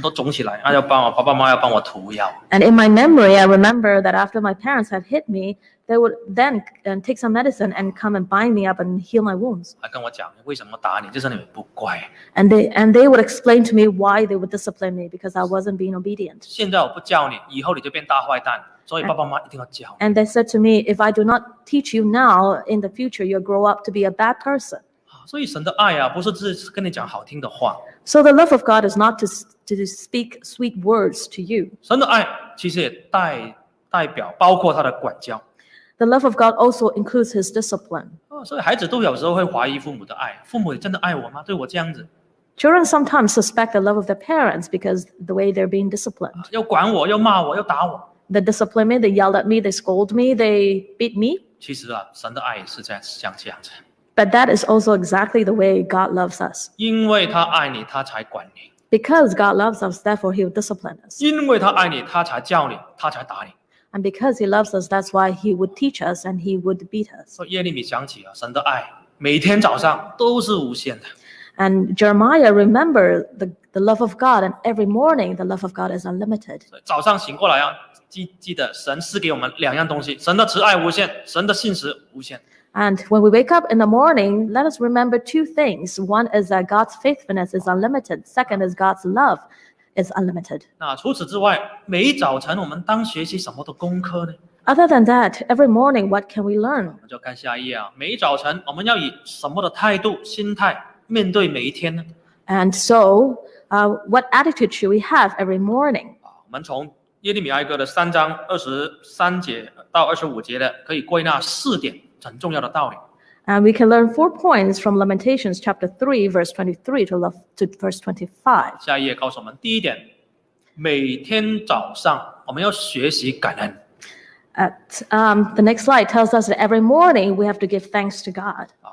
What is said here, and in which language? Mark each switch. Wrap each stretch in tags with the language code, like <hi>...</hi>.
<zh>印象当中，有时候被打完了，哇，我这个藤条很多伤口啊，很多肿起来，那要帮我爸爸妈妈要帮我涂药。</zh> <en>And in my memory, I remember that after my parents had hit me, they would then take some medicine and come and bind me up and heal my wounds.</en> <zh>还跟我讲，为什么打你，就是你们不乖。</zh> <en>And they would explain to me why they would discipline me, because I wasn't being obedient.</en> <zh>现在我不教你，以后你就变大坏蛋。所以爸爸妈妈一定要教。</zh> <en>And they said to me, if I do not teach you now, in the future you'll grow up to be a bad person.</en> <zh>所以神的爱啊，不是只是跟你讲好听的话。</zh> <en>So the love of God is not to speak sweet words to you.</en> <zh>神的爱其实也代表包括他的管教。</zh> <en>The love of God also includes His discipline.</en> <zh>所以孩子都有时候会怀疑父母的爱，父母真的爱我吗？对我这样子。</zh> <en>Children sometimes suspect the love of their parents because the way they're being disciplined.</en> <zh>又管我，又骂我，又打我。</zh> <en>They discipline me, they yell at me, they scold me, they beat me.</en> <zh>其实啊, 神的爱是这样子,</zh> <en>but that is also exactly the way God loves us.</en> <zh>因为他爱你,</zh> <en>because God loves us, therefore He will discipline us.</en> <zh>因为他爱你, 他才叫你,</zh> <en>and because He loves us, that's why He would teach us and He would beat us.</en> <zh>所以耶利米想起啊, 神的爱, 每天早上都是无限的。</zh> <en>And Jeremiah remember the love of God, and every morning the love of God is unlimited.</en> <zh>早上醒过来啊, 记得, 神赐给我们两样东西, 神的慈爱无限, 神的信实无限。</zh> <en>And when we wake up in the morning, let us remember two things. One is that God's faithfulness is unlimited. Second is God's love is unlimited.</en> <zh>那除此之外, 每一早晨我们当学习什么的功课呢?</zh> <en>Other than that, every morning, what can we learn?</en> <zh>我们就看下一页啊, 每一早晨我们要以什么的态度, 心态, 面对每一天呢?</zh> <en>And so, what attitude should we have every morning?</en> <zh>我们从耶利米哀歌的3章23节到25节的可以归纳4点很重要的道理。</zh> <en>And we can learn 4 points from Lamentations chapter 3, verse 23 to verse 25.</en> <zh>下一页告诉我们第一点, 每天早上我们要学习感恩。</zh> <en>The next slide tells us that every morning we have to give thanks to God.</en>